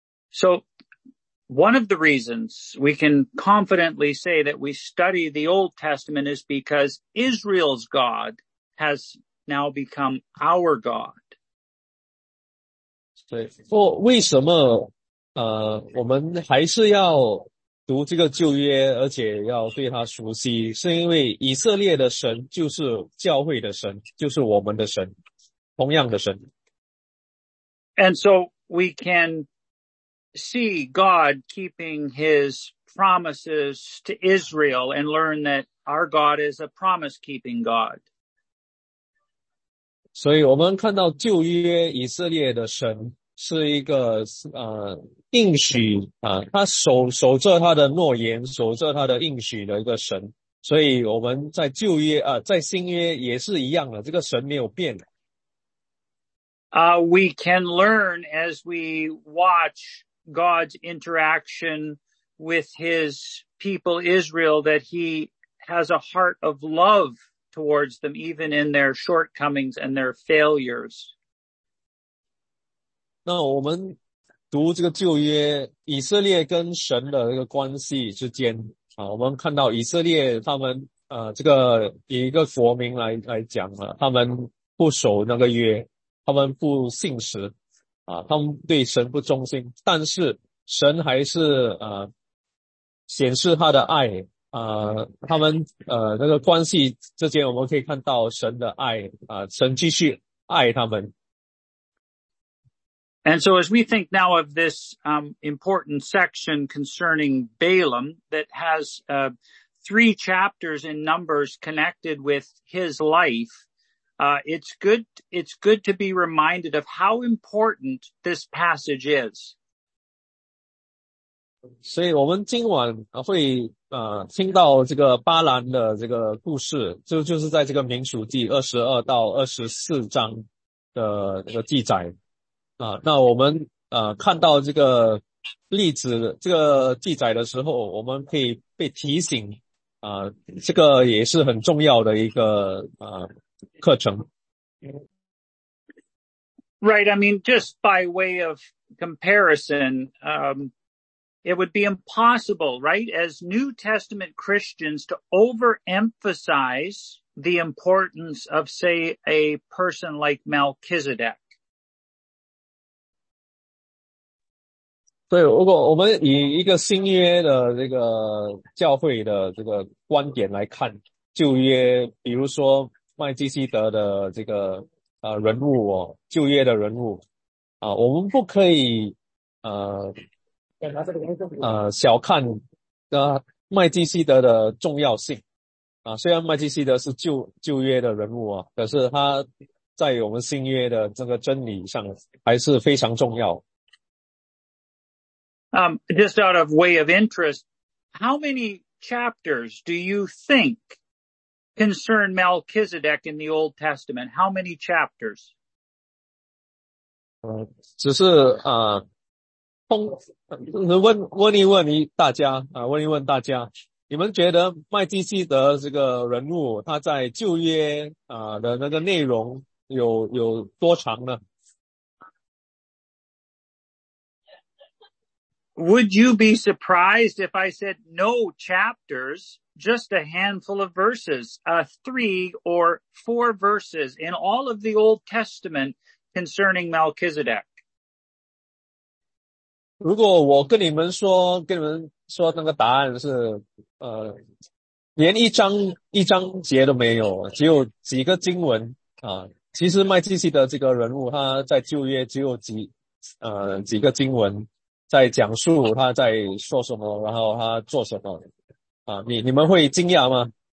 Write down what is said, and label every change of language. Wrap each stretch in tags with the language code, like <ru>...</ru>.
<en>So, one of the reasons we can confidently say that we study the Old Testament is because Israel's God has now become our God.</en> <zh>对，为什么我们还是要读这个旧约，而且要对它熟悉，是因为以色列的神就是教会的神，就是我们的神，同样的神。</zh> <en>And so we can see God keeping his promises to Israel and learn that our God is a promise-keeping God.</en> <zh>所以我们看到旧约以色列的神是一个应许他守着他的诺言，守着他的应许的一个神。所以我们在旧约在新约也是一样的，这个神没有变的。</zh> <en>We can learn as we watch God's interaction with his people Israel that he has a heart of love. towards them, even in their shortcomings and their failures.</en> <zh>那我们读这个旧约，以色列跟神的这个关系之间我们看到以色列他们这个以一个国民来讲他们不守那个约，他们不信实他们对神不忠心，但是神还是显示他的爱。他们那个关系之间，我们可以看到神的爱神继续爱他们。</zh> <en>And so as we think now of this important section concerning Balaam that has three chapters in Numbers connected with his life, it's good to be reminded of how important this passage is.</en> <zh>所以我们今晚会听到这个巴兰的这个故事，就是在这个民数记22到24章的这个记载那我们看到这个例子这个记载的时候，我们可以被提醒这个也是很重要的一个课程。</zh> <en>Right, I mean, just by way of comparison, It would be impossible, right, as New Testament Christians to overemphasize the importance of, say, a person like Melchizedek.</en> <zh>对，如果我们以一个新约的这个教会的这个观点来看，旧约，比如说麦基西德的这个人物哦，旧约的人物啊，我们不可以小看麦基西德的重要性啊。虽然麦基西德是旧约的人物啊，可是他在我们新约的这个真理上还是非常重要。</zh> <en>Just out of way of interest, how many chapters do you think concern Melchizedek in the Old Testament? How many chapters?</en> <zh>只是问一问大家，你们觉得麦基西德这个人物他在旧约的那个内容有多长呢？</zh> <en>Would you be surprised if I said no chapters, just a handful of verses, 3 or 4 verses in all of the Old Testament concerning Melchizedek?</en> <zh>如果我跟你们说那个答案是连一章节都没有，只有几个经文其实麦基西德这个人物他在旧约只有几个经文在讲述他在说什么，然后他做什么你们会惊讶吗？</zh>